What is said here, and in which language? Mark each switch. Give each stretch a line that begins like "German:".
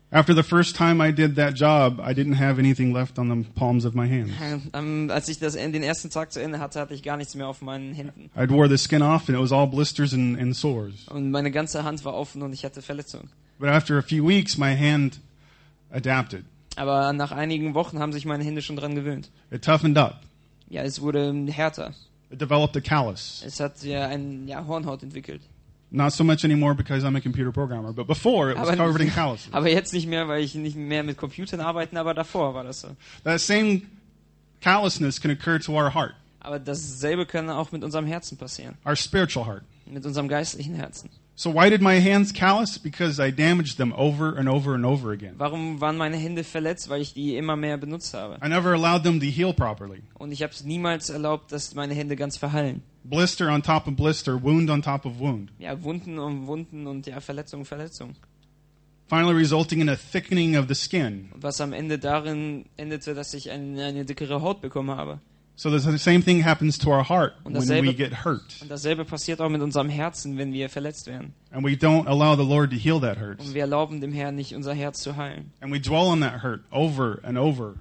English: After the first time I did that job, I didn't have anything left on the palms of my hands.
German: Als ich den ersten Tag zu Ende hatte, hatte ich gar nichts mehr auf meinen Händen.
English: I wore the skin off and it was all blisters and sores.
German: Und meine ganze Hand war offen und ich hatte Verletzungen.
English: But after a few weeks, my hand adapted.
German: Aber nach einigen Wochen haben sich meine Hände schon dran gewöhnt.
English: It toughened up.
German: Ja, es wurde härter.
English: It developed a callus.
German: Es hat Hornhaut entwickelt.
English: Not so much anymore because I'm a computer programmer, but before it was covered in calluses.
German: Aber jetzt nicht mehr, weil ich nicht mehr mit Computern arbeite, aber davor war das so.
English: That same callousness can occur to our heart.
German: Aber dasselbe kann auch mit unserem Herzen passieren.
English: Our spiritual heart.
German: Mit unserem geistlichen Herzen.
English: So why did my hands callous? Because I damaged them over and over and over again.
German: Warum waren meine Hände verletzt, weil ich die immer mehr benutzt habe?
English: I never allowed them to heal properly.
German: Und ich habe es niemals erlaubt, dass meine Hände ganz verheilen.
English: Blister on top of blister, wound on top of wound.
German: Ja, Wunden um Wunden und ja, Verletzung um Verletzung.
English: Finally resulting in a thickening of the skin.
German: Was am Ende darin endete, dass ich eine dickere Haut bekommen habe.
English: So the same thing happens to our heart when we get hurt.
German: Und dasselbe passiert auch mit unserem Herzen, wenn wir verletzt werden.
English: And we don't allow the Lord to heal that hurt.
German: Und wir erlauben dem Herrn nicht, unser Herz zu heilen.
English: And we dwell on that hurt over and over.